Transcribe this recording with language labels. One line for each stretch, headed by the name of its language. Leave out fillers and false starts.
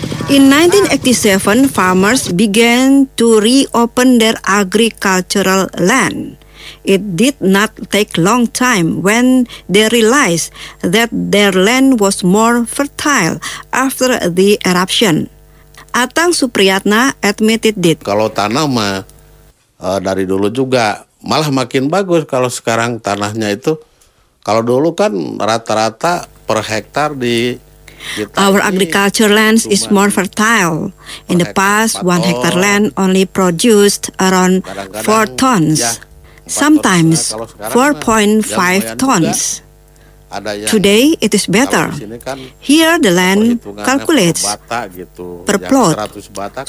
English: In 1987, farmers began to reopen their agricultural land. It did not take long time when they realized that their land was more fertile after the eruption. Atang Supriyatna admitted it.
Indonesian: Kalau tanah mah dari dulu juga malah makin bagus kalau sekarang tanahnya itu. Kalau dulu kan rata-rata per hektar di
English: our agriculture lands is more fertile. In the past, 1 hectare land only produced around 4 tons, sometimes 4.5 tons. Today, it is better. Here, the land calculates per plot.